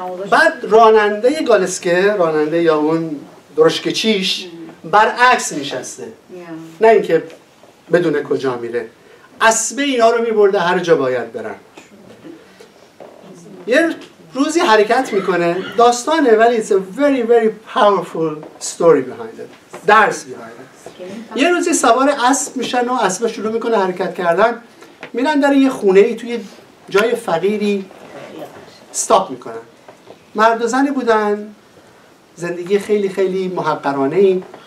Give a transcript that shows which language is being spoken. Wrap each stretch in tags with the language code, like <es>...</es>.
<fa>بعد راننده یه گالسکه، راننده یا اون درشکچیش برعکس نشسته. نه اینکه بدونه کجا میره. اسبه اینا رو میبرده هر جا باید برن. یه روزی حرکت میکنه، داستانه ولی</fa> <en>it's a very very powerful story behind it.</en> <fa>درس</fa> <en>behind it.</en> <fa>یه روزی سوار اسب میشن و اسب شروع میکنه حرکت کردن. میرن در یه خونه ای توی جای فقیری استاپ میکنن. مرد و زنی بودن، زندگی خیلی خیلی محقرانه ای.</fa>